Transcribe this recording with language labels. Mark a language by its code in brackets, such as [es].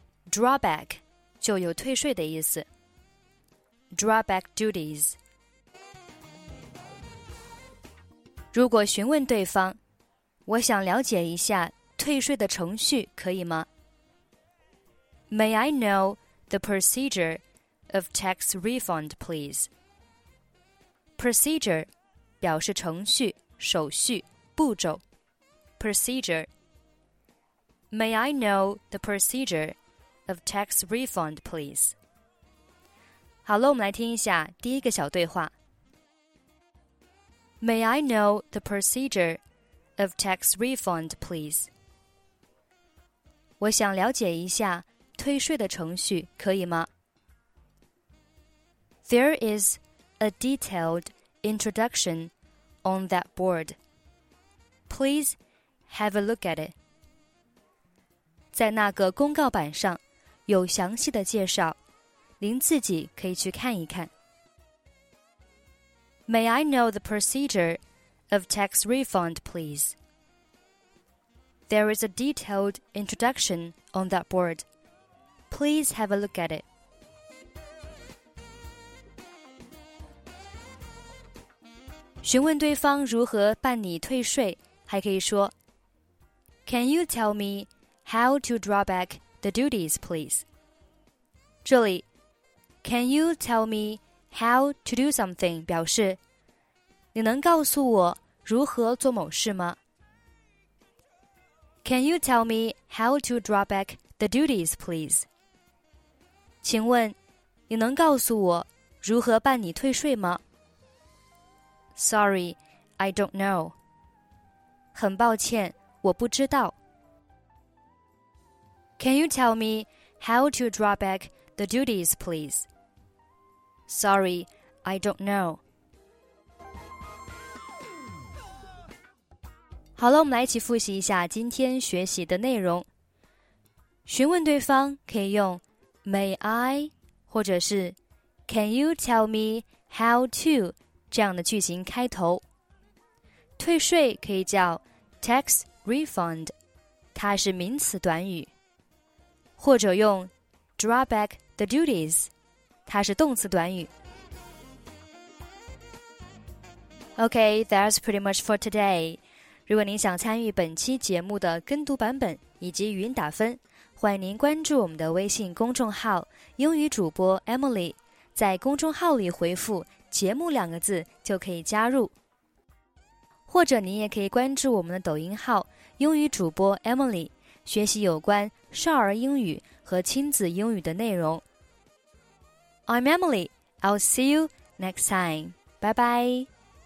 [zh] Drawback 就有退税的意思。 [en] Drawback duties. [zh] 如果询问对方，我想了解一下退税的程序，可以吗？ [en] May I know the procedure of tax refund, please? [zh] Procedure 表示程序、手续、步骤。 [en] Procedure. May I know the procedure of tax refund, please? [zh] 好了，我们来听一下第一个小对话。 [en] May I know the procedure of tax refund, please? [zh] 我想了解一下退税的程序，可以吗？ [en] There is a detailed introduction on that board. Please have a look at it. [zh] 在那个公告板上有详细的介绍，您自己可以去看一看。 [en] May I know the procedure of tax refund, please? There is a detailed introduction on that board. Please have a look at it. [zh] 询问对方如何办理退税，还可以说 [en] Can you tell meHow to draw back the duties, please? [zh] 这里 [en] Can you tell me how to do something? [zh] 表示你能告诉我如何做某事吗？ [en] Can you tell me how to draw back the duties, please? [zh] 请问你能告诉我如何办理退税吗？ [en] Sorry, I don't know. [zh] 很抱歉，我不知道。 [en] Can you tell me how to draw back the duties, please? Sorry, I don't know. [zh] 好了，我们来一起复习一下今天学习的内容。询问对方可以用 [en] May I [zh] 或者是 [en] Can you tell me how to [zh] 这样的句型开头。退税可以叫 Tax refund， 它是名词短语。或者用 [en] draw back the duties， [zh] 它是动词短语。 [en] Okay, that's pretty much for today. [zh] 如果您想参与本期节目的跟读版本以及语音打分，欢迎您关注我们的微信公众号英语主播 Emily， 在公众号里回复节目两个字就可以加入。或者您也可以关注我们的抖音号英语主播 Emily，学习有关少儿英语和亲子英语的内容。 [en] I'm Emily. I'll see you next time. Bye bye.